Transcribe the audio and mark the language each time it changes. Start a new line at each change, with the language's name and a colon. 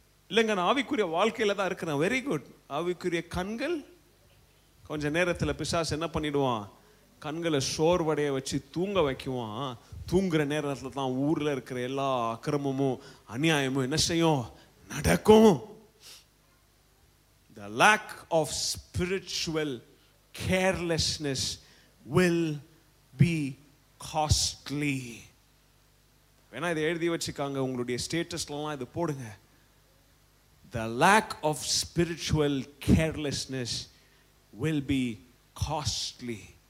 Tamil: இல்லைங்க, நான் ஆவிக்குரிய வாழ்க்கையில தான் இருக்கிறேன்.
English: Very good.
Tamil: ஆவிக்குரிய கண்கள் கொஞ்ச நேரத்தில் பிசாசு என்ன பண்ணிடுவான்? கண்களை சோர்வடைய வச்சு தூங்க வைக்குவான். தூங்குற நேரத்தில் தான் ஊரில் இருக்கிற எல்லா அக்கிரமும் அநியாயமும் என்ன செய்யும்? நடக்கும்.
English: The lack of spiritual carelessness will be costly.
Tamil: வேணா இதை எழுதி வச்சுக்காங்க, உங்களுடைய ஸ்டேட்டஸ்லாம் இது போடுங்க.
English: The lack of spiritual carelessness will be costly.